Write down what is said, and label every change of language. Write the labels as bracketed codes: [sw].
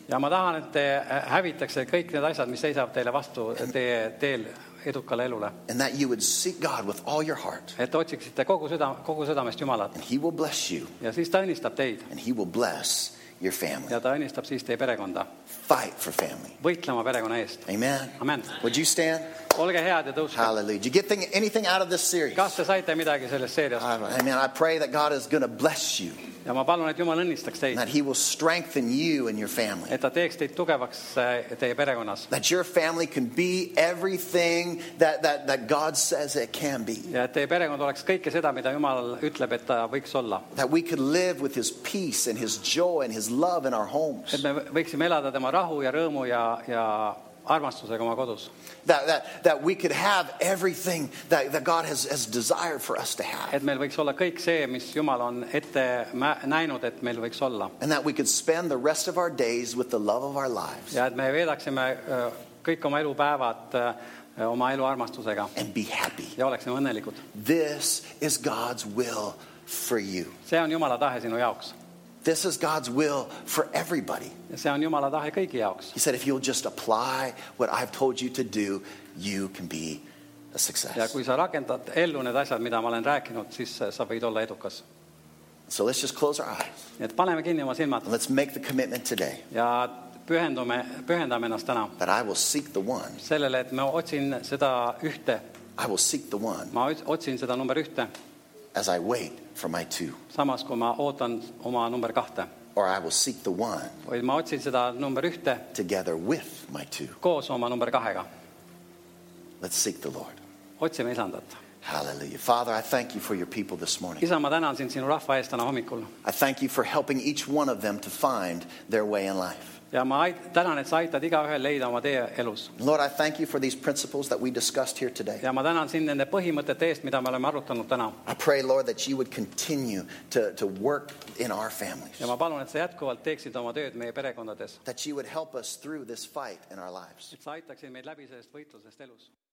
[et] Ja ma tahan, et te hävitakse kõik need asjad, mis seisavad teile vastu teie teel. [en] And that you would seek God with all your heart. [et] Et otsiksite kogu südamest Jumalat. [en] And he will bless you. [et] Ja siis ta õnnistab teid. [en] And he will bless your family. [et] Ja ta õnnistab siis teie perekonda. [en] Fight for family. [et] Võitlema perekonna eest. [en] Amen. [et] Amen. [en] Would you stand? [et] Olge head ja tõuske. [en] Hallelujah. Did you get anything out of this series? [et] Kas te saite midagi sellest seeriast? [en] Amen. I pray that God is going to bless you. [et] Ja ma palun, et Jumal õnnistaks teid. [en] That he will strengthen you and your family. [et] Et ta teeks teid tugevaks teie perekonnas. [en] That your family can be everything that God says it can be. [et] Ja et teie perekond oleks kõike seda, mida Jumal ütleb, et ta võiks olla. [en] That we could live with his peace and his joy and his love in our homes. [et] Et me võiksime elada tema rahu ja rõõmu ja armastusega oma kodus. [en] That we could have everything that God has desired for us to have. [et] Et meil võiks olla kõik see, mis Jumal on ette näinud, et meil võiks olla. [en] And that we could spend the rest of our days with the love of our lives. [et] Ja et me veedaksime kõik oma elupäevad oma elu armastusega. [en] And be happy. [et] Ja oleksime õnnelikud. [en] This is God's will for you. [et] See on Jumala tahe sinu jaoks. [en] This is God's will for everybody. [et] See on Jumala tahe kõigi jaoks. [en] He said, if you'll just apply what I've told you to do, you can be a success. [et] Ja kui sa rakendad ellu need asjad, mida ma olen rääkinud, siis sa võid olla edukas. [en] So let's just close our eyes. [et] Et paneme kinni oma silmad. [en] Let's make the commitment today. [et] Ja pühendame ennast täna. [en] That I will seek the one. [et] Sellele, et ma otsin seda ühte. [en] I will seek the one. [et] Ma otsin seda number ühte. [en] As I wait for my two. [et] Samas kui ma ootan oma number kahte. [en] Or I will seek the one. [et] Või ma otsin seda number ühte. [en] Together with my two. [et] Koos oma number kahega. [en] Let's seek the Lord. [et] Otsime isandat. [en] Hallelujah. Father, I thank you for your people this morning. [et] Isa, ma tänan sind sinu rahva eest täna hommikul. [en] I thank you for helping each one of them to find their way in life. [et] Ja ma tänan, et sa aitad iga ühe leida oma tee elus. [en] Lord, I thank you for these principles that we discussed here today. [et] Ja ma tänan sind nende põhimõtete eest, mida me oleme arutanud täna. [en] I pray, Lord, that you would continue to work in our families. [et] Ja ma palun, et sa jätkuvalt teeksid oma tööd meie perekondades. [en] That you would help us through this fight in our lives. Et sa aitaksid meid läbi sellest võitlusest elus.